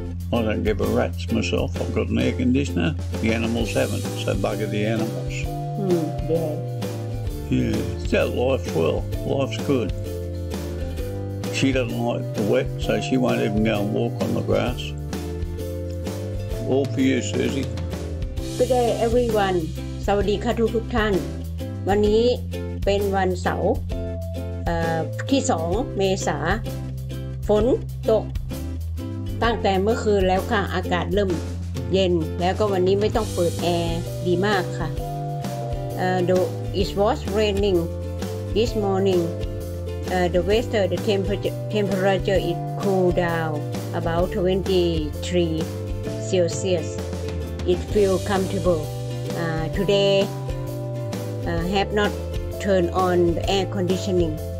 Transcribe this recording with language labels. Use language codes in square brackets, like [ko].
[en] I don't give a rat's myself, I've got an air conditioner, the animals haven't, so bugger the animals. Yeah, it's our life. Well, life's good. She doesn't like the wet, so she won't even go and walk on the grass. All for you, Susie. Good day, everyone. [th] สวัสดีค่ะทุกท่านวันนี้เป็นวันเสาร์ที่2เมษาฝนตกตั้งแต่เมื่อคืนแล้วค่ะอากาศเริ่มเย็นแล้วก็วันนี้ไม่ต้องเปิดแอร์ดีมากค่ะ [en] It was raining this morning. The weather, the temperature it cooled down about 23 Celsius. It feel comfortable. Today, have not turned on the air conditioning.